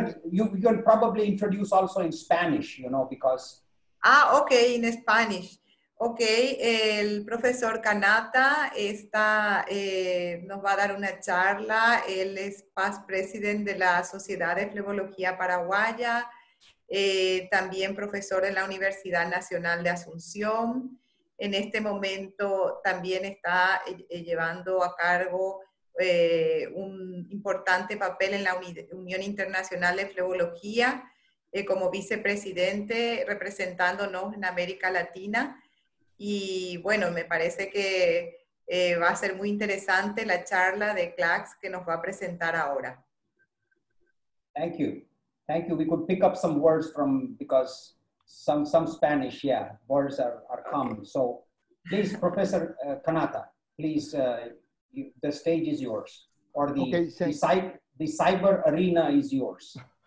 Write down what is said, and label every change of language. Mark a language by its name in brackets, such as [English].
[English] You can probably introduce also in Spanish, because. Ah, okay, in Spanish. [Spanish] Okay, el profesor Kanata nos va a dar una charla. Él es past president de la Sociedad de Flebología Paraguaya, también profesor en la Universidad Nacional de Asunción. En este momento también está llevando a cargo un importante papel en la Unión Internacional de Flebología como vicepresidente, representándonos en América Latina. Y bueno, me parece que va a ser muy interesante la charla de CLACS que nos va a presentar ahora. [English] Thank you. We could pick up some words because some Spanish, words are common. Okay. So please, Professor Kanata, please, the stage is yours. The cyber arena is yours.